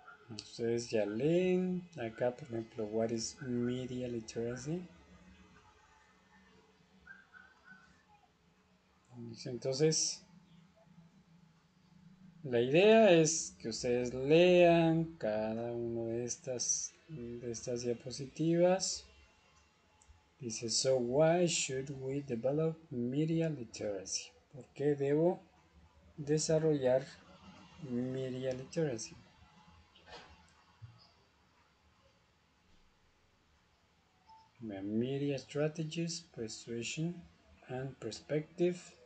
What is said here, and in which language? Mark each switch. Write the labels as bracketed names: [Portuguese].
[Spanish] Ustedes ya leen acá, por ejemplo, [English] What is Media Literacy? [Spanish] Entonces, la idea es que ustedes lean cada una de estas diapositivas. [English] Dice, so why should we develop media literacy? [Spanish] ¿Por qué debo desarrollar media literacy? [English] Media strategies, persuasion and perspective.